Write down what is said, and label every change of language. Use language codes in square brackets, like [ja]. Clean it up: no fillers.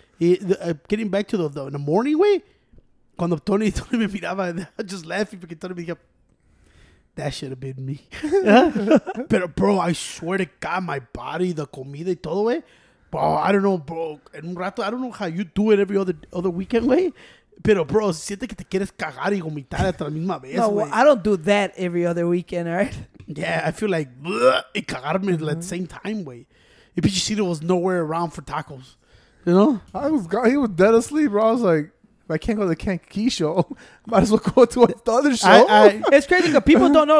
[en] Getting back to the morning, way, [es] cuando Tony me miraba, [en] I just laughing because Tony [es] me dijo, [en] that should have been me. But bro, I swear to God, my body, the comida [es] y todo, [en] güey. Bro, I don't know, bro. [es] En un rato, [en] I don't know how you do it every other weekend, güey. [es] Pero bro, siente que te quieres cagar y vomitar hasta la misma vez, güey. [en] No, well, I don't do that every other weekend, all right? Yeah, I feel like, bleh, [es] y cagarme [en] mm-hmm. at the same time, güey. If you see, there was nowhere around for tacos, you know? He was dead asleep, bro. I was like, I can't go to the Kankakee show. Might as well go to the other show. It's crazy because people don't know.